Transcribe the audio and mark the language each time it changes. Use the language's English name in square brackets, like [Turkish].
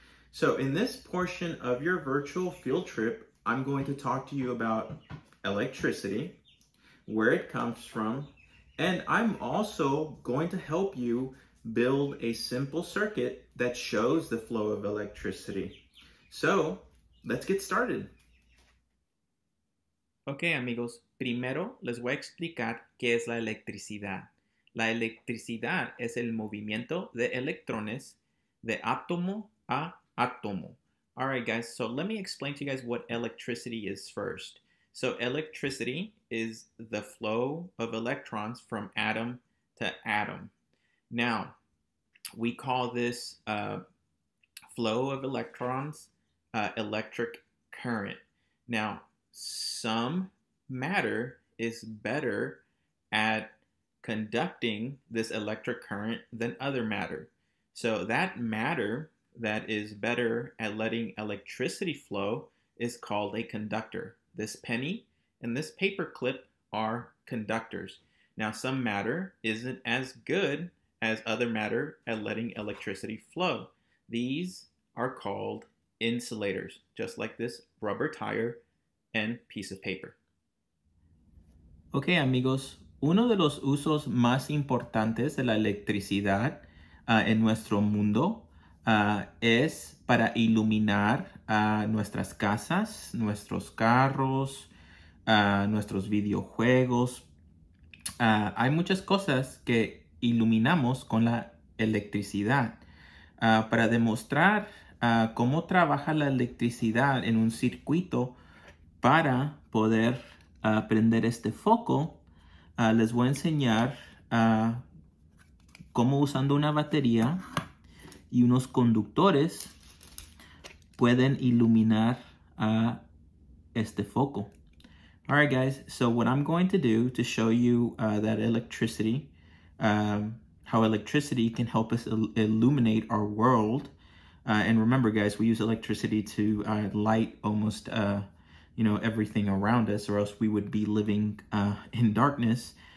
[English] So in this portion of your virtual field trip, I'm going to talk to you about electricity, where it comes from, and I'm also going to help you build a simple circuit that shows the flow of electricity. So let's get started. [Spanish] Ok amigos, primero les voy a explicar qué es la electricidad. La electricidad es el movimiento de electrones de átomo a átomo. [English] Alright guys, so let me explain to you guys what electricity is first. So electricity is the flow of electrons from atom to atom. Now, we call this flow of electrons electric current. Now, some matter is better at conducting this electric current than other matter. So that matter that is better at letting electricity flow is called a conductor. This penny and this paper clip are conductors. Now, some matter isn't as good as other matter at letting electricity flow. These are called insulators, just like this rubber tire and piece of paper. [Spanish] Ok, amigos, uno de los usos más importantes de la electricidad en nuestro mundo es para iluminar nuestras casas, nuestros carros, nuestros videojuegos. Hay muchas cosas que iluminamos con la electricidad. Para demostrar cómo trabaja la electricidad en un circuito para poder prender este foco, les voy a enseñar cómo usando una batería y unos conductores pueden iluminar este foco. [English] All right, guys. So what I'm going to do to show you that electricity, how electricity can help us illuminate our world. And remember, guys, we use electricity to light almost, everything around us, or else we would be living in darkness.